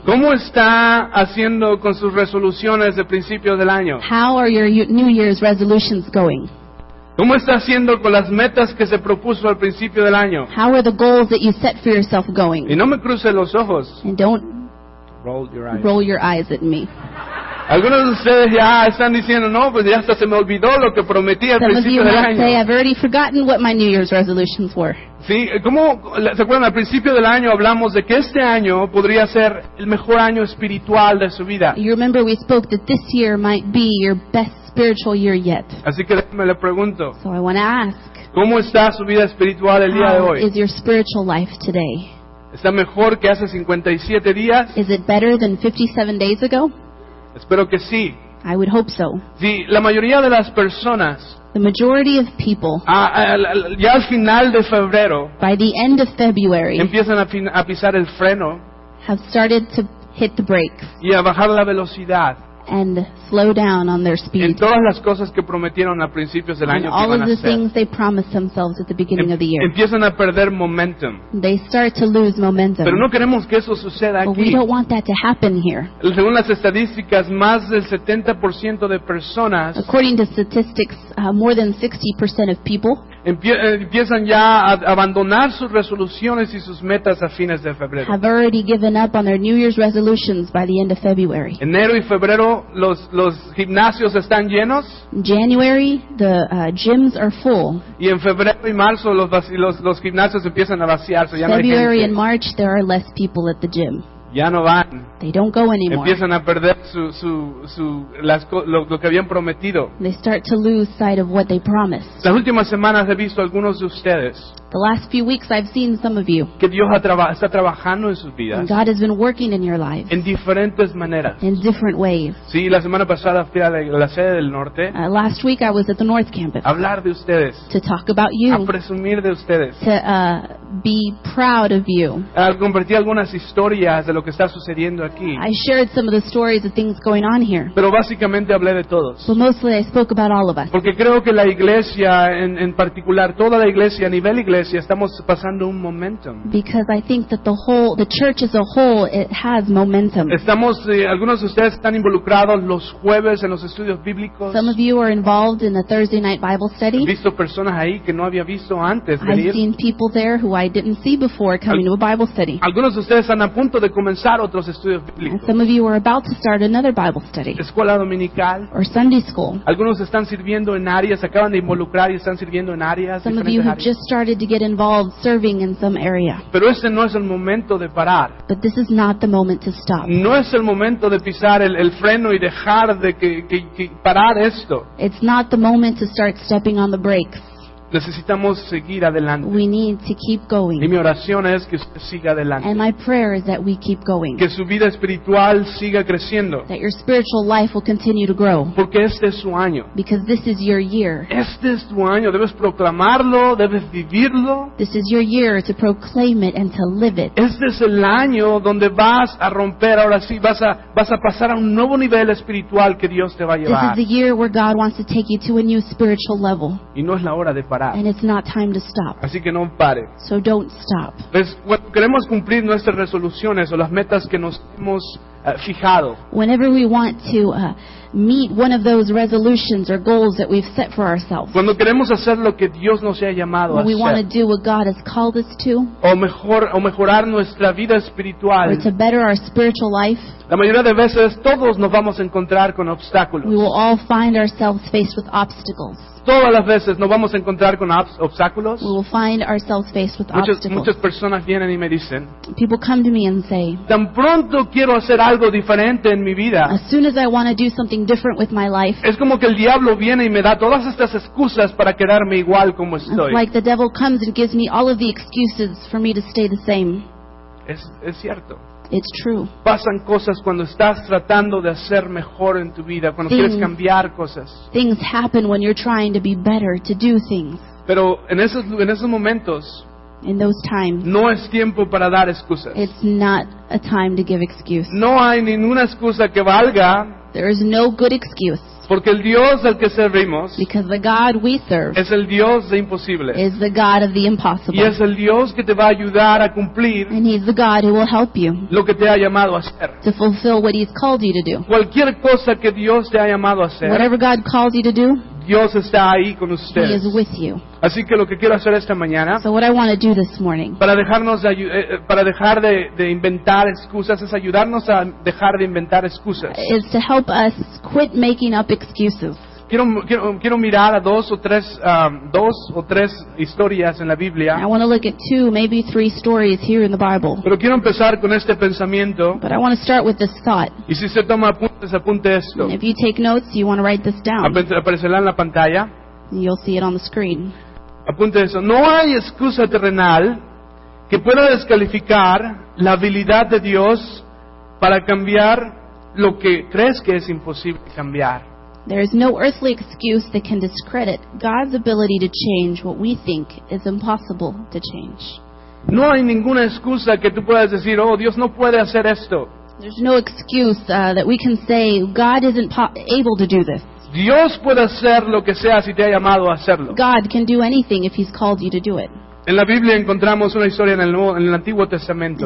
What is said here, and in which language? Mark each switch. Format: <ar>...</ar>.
<es>¿Cómo está haciendo con sus resoluciones de principio del año?</es> <en>How are your New Year's resolutions going?</en> <es>¿Cómo está haciendo con las metas que se propuso al principio del año?</es> <en>How are the goals that you set for yourself going?</en> <es>Y no me cruce los ojos.</es> <en>And don't roll your eyes at me.</en> <es>Algunos de ustedes ya están diciendo, no, pues ya hasta se me olvidó lo que prometí al principio del año.</es> <en>Some of you have already forgotten what my New Year's resolutions were.</en> <es>Sí, ¿cómo se acuerdan? Al principio del año hablamos de que este año podría ser el mejor año espiritual de su vida.</es> <en>You remember we spoke that this year might be your best spiritual year yet.</en> <es>Así que déjame le pregunto.</es> <en>So I want to ask.</en> <es>¿Cómo está su vida espiritual el día de hoy?</es> <en>How is your spiritual life today?</en> <es>¿Está mejor que hace 57 días?</es> <en>Is it better than 57 days ago?</en> <es>Espero que sí.</es> <en>I would hope so.</en> <es>Sí, la mayoría de las personas.</es> <en>The majority of people.</en> <es>Ya al final de febrero.</es> <en>By the end of February.</en> <es>Empiezan a pisar el freno.</es> <en>Have started to hit the brakes.</en> <es>Y a bajar la velocidad.</es> <en>And slow down on their speed.</en> <es>En todas las cosas que prometieron a principios del año.</es> <en>All of the things they promised themselves at the beginning of the year.</en> <es>Empiezan a perder momentum.</es> <en>They start to lose momentum.</en> <es>Pero no queremos que eso suceda aquí.</es> <en>We don't want that to happen here.</en> <es>Según las estadísticas, más del 70% de personas.</es> <en>According to statistics, more than 60% of people.</en> <es>Empiezan ya a abandonar sus resoluciones y sus metas a fines de febrero.</es> <en>Have already given up on their New Year's resolutions by the end of February.</en> <es>Enero y febrero los gimnasios están llenos.</es> <en>January the gyms are full.</en> <es>Y en febrero y marzo los gimnasios empiezan a vaciarse. Ya</es> <en>February</en> <es>no hay gente.</es> <en>And March there are less people at the gym.</en> <es>Ya no van.</es> <en>They don't go anymore.</en> <es>Empiezan a perder lo que habían prometido.</es> <en>They start to lose sight of what they promised.</en> <es>Las últimas semanas he visto algunos de ustedes.</es> <en>The last few weeks I've seen some of you.</en> <es>Que Dios está trabajando en sus vidas.</es> <en>And God has been working in your lives.</en> <es>En diferentes maneras.</es> <en>In different ways.</en> <es>Sí, la semana pasada fui a la sede del norte.</es> <en>Last week I was at the North Campus.</en> <es>Hablar de ustedes.</es> <en>To talk about you.</en> <es>A presumir de ustedes.</es> <en>To be proud of you.</en> <es>Compartí algunas historias de lo que está sucediendo aquí. aquí.</es> <en>I shared some of the stories of things going on here.</en> <es>Pero básicamente hablé de todos.</es> <en>But mostly I spoke about all of us.</en> <es>Porque creo que la iglesia, en particular, toda la iglesia, a nivel iglesia, estamos pasando un momentum.</es> <en>Because I think that the church as a whole, it has momentum.</en> <es>Estamos, algunos de ustedes están involucrados los jueves en los estudios bíblicos.</es> <en>Some of you are involved in the Thursday night Bible study.</en> <es>He visto personas ahí que no había visto antes.</es> <en>I've seen people there who I didn't see before coming to a Bible study.</en> <es>Algunos de ustedes están a punto de comenzar otros estudios bíblicos.</es> <en>Some of you are about to start another Bible study.</en> <es>Escuela dominical.</es> <en>Or Sunday school.</en> <es>Algunos están sirviendo en áreas, acaban de involucrar y están sirviendo en áreas.</es> <en>Some of you have just started to get involved serving in some area.</en> <es>Pero ese no es el momento de parar.</es> <en>But this is not the moment to stop.</en> <es>No es el momento de pisar el freno y dejar de que parar esto.</es> <en>It's not the moment to start stepping on the brakes.</en> <es>Necesitamos seguir adelante.</es> <en>We need to keep going.</en> <es>Y mi oración es que usted siga adelante.</es> <en>And my prayer is that we keep going.</en> <es>Que su vida espiritual siga creciendo.</es> <en>That your spiritual life will continue to grow.</en> <es>Porque este es su año.</es> <en>Because this is your year.</en> <es>Este es tu año. Debes proclamarlo, debes vivirlo.</es> <en>This is your year to proclaim it and to live it.</en> <es>Este es el año donde vas a romper, ahora sí, vas a pasar a un nuevo nivel espiritual que Dios te va a llevar.</es> <en>This is the year where God wants to take you to a new spiritual level.</en> <es>Y no es la hora de</es> <en>And it's not time to stop.</en> <es>Así que no pare.</es> <en>So don't stop.</en> <es>Pues, queremos cumplir nuestras resoluciones o las metas que nos hemos fijado.</es> <en>Whenever we want to meet one of those resolutions or goals that we've set for ourselves.</en> <es>Cuando queremos hacer lo que Dios nos ha llamado a hacer.</es> <en>We want to do what God has called us to.</en> <es>O mejorar nuestra vida espiritual.</es> <en>Or to better our spiritual life.</en> <es>La mayoría de veces todos nos vamos a encontrar con obstáculos.</es> <en>We will all find ourselves faced with obstacles.</en> <es>Todas las veces nos vamos a encontrar con obstáculos.</es> <en>We will find ourselves faced with obstacles.</en> <es>Muchas personas vienen y me dicen.</es> <en>People come to me and say.</en> <es>Tan pronto quiero hacer algo diferente en mi vida.</es> <en>As soon as I want to do something different with my life.</en> <es>Es como que el diablo viene y me da todas estas excusas para quedarme igual como estoy.</es> <en>It's like the devil comes and gives me all of the excuses for me to stay the same.</en> <es>Es cierto.</es> <en>It's true.</en> <es>Pasan cosas cuando estás tratando de hacer mejor en tu vida, cuando quieres cambiar cosas.</es> <en>Things happen when you're trying to be better, to do things.</en> <es>Pero en esos momentos,</es> <en>in those times,</en> <es>no es tiempo para dar excusas.</es> <en>It's not a time to give excuses.</en> <es>No hay ninguna excusa que valga.</es> <en>There is no good excuse.</en> <es>Porque el Dios al que servimos,</es> <en>because the God we serve,</en> <es>es el Dios de imposibles,</es> <en>is the God of the impossible,</en> <es>y es el Dios que te va a ayudar a cumplir,</es> <en>and He's the God who will help you,</en> <es>lo que te ha llamado a hacer,</es> <en>to fulfill what He's called you to do,</en> <es>cualquier cosa que Dios te ha llamado a hacer,</es> <en>whatever God calls you to do,</en> <es>Dios está ahí con ustedes,</es> <en>He is with you.</en> <es>Así que lo que quiero hacer esta mañana,</es> <en>so what I want to do this morning,</en> <es>para dejar de inventar excusas, es ayudarnos a dejar de inventar excusas,</es> <en>is to help us quit making up excuses.</en> <es>Quiero mirar a dos o tres historias en la Biblia.</es> <en>I want to look at two, maybe three stories here in the Bible.</en> <es>Pero quiero empezar con este pensamiento.</es> <en>But I want to start with this thought.</en> <es>Y si se toma apuntes, apunte esto.</es> <en>And if you take notes, you want to write this down.</en> <es>Aparecerá en la pantalla.</es> <en>You'll see it on the screen.</en> <es>Apunte eso. No hay excusa terrenal que pueda descalificar la habilidad de Dios para cambiar lo que crees que es imposible cambiar.</es> <en>There is no earthly excuse that can discredit God's ability to change what we think is impossible to change.</en> <es>No hay ninguna excusa que tú puedas decir, oh, Dios no puede hacer esto.</es> <en>There's no excuse that we can say God isn't able to do this.</en> <es>Dios puede hacer lo que sea si te ha llamado a hacerlo.</es> <en>God can do anything if He's called you to do it.</en> <es>En la Biblia encontramos una historia en el Antiguo Testamento.</es>